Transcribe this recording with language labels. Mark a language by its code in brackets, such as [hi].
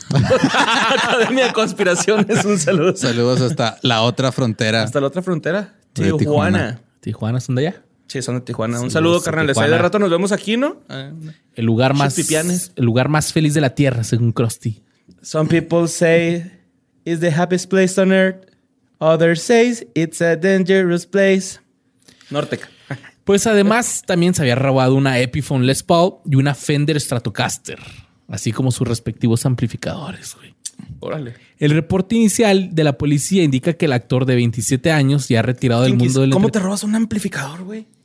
[es] Academia de Conspiraciones, un saludo. Saludos hasta la otra frontera. Hasta la otra frontera. Tijuana. ¿Tijuana son de allá? Sí, son de Tijuana. Sí, un saludo, carnales. Ahí de rato nos vemos aquí, ¿no? El lugar más... Chupipianes. El lugar más feliz de la Tierra, según Krusty. [en] Some people say it's the happiest place on Earth. Others say it's a dangerous place. [es] Nortec. Pues además, también se había robado una Epiphone Les Paul y una Fender Stratocaster. Así como sus respectivos amplificadores, güey. Órale. El reporte inicial de la policía indica que el actor de 27 años ya ha retirado del mundo del... ¿Cómo te robas un amplificador, güey?